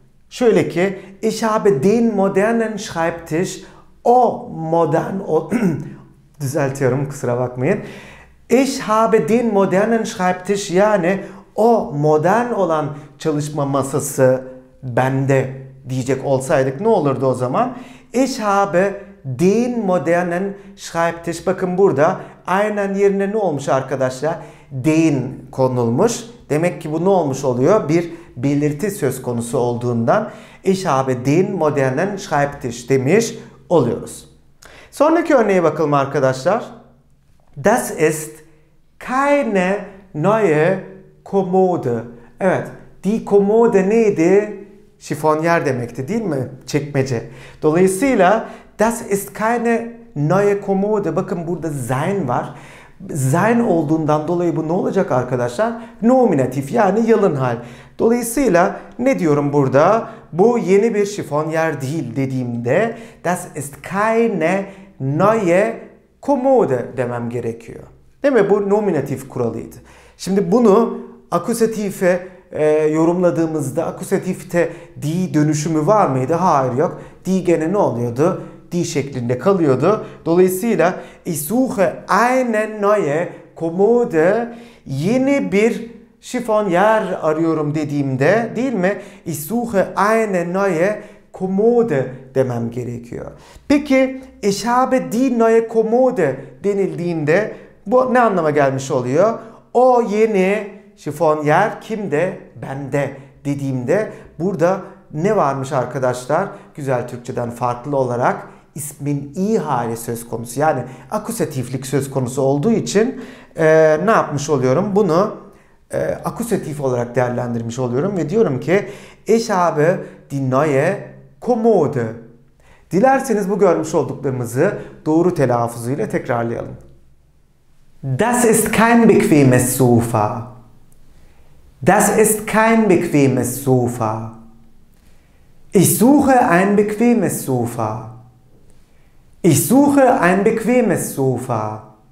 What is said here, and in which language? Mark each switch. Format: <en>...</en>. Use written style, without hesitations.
<tr>Şöyle ki</tr> <de>Ich habe den modernen Schreibtisch.</de> <tr>O modern düzeltiyorum kusura bakmayın.</tr> <de>Ich habe den modernen Schreibtisch</de> <tr>yani o modern olan çalışma masası bende diyecek olsaydık ne olurdu o zaman?</tr> <de>Ich habe den modernen Schreibtisch.</de> <tr>Bakın burada aynen yerine ne olmuş arkadaşlar? Den konulmuş. Demek ki bu ne olmuş oluyor? Bir belirti söz konusu olduğundan</tr> <de>Ich habe den modernen Schreibtisch</de> <tr>demiş oluyoruz. Sonraki örneğe bakalım arkadaşlar.</tr> <de>Das ist keine neue Kommode.</de> <tr>Evet, die Kommode neydi? Şifonyer demekti değil mi? Çekmece.</tr> <de>Dolayısıyla das ist keine neue Kommode.</de> <tr>Bakın burada sein var. Sein olduğundan dolayı bu ne olacak arkadaşlar? Nominatif yani yalın hal. Dolayısıyla ne diyorum burada? Bu yeni bir şifonyer değil dediğimde</tr> <de>das ist keine neue Kommode</de> <tr>demem gerekiyor. Değil mi? Bu nominatif kuralıydı. Şimdi bunu akusatife yorumladığımızda akusatifte die dönüşümü var mıydı? Hayır yok. Die gene ne oluyordu? Die şeklinde kalıyordu. Dolayısıyla</tr> <de>Ich suche eine neue</de> <tr>kommode, yeni bir şifon yer arıyorum dediğimde, değil mi?</tr> <de>Ich suche eine neue kommode</de> <tr>demem gerekiyor. Peki,</tr> <de>ich habe die neue kommode</de> <tr>denildiğinde bu ne anlama gelmiş oluyor? O yeni şifon yer kimde? Bende dediğimde burada ne varmış arkadaşlar? Güzel Türkçeden farklı olarak ismin iyi hali söz konusu. Yani akusatiflik söz konusu olduğu için ne yapmış oluyorum? Bunu akusatif olarak değerlendirmiş oluyorum ve diyorum ki</tr> <de>Ich habe die neue kommode.</de> <tr>Dilerseniz bu görmüş olduklarımızı doğru telaffuzuyla tekrarlayalım.</tr> <de>Das ist kein bequemes Sofa. Das ist kein bequemes Sofa. Ich suche ein bequemes Sofa. Ich suche ein bequemes Sofa.</de>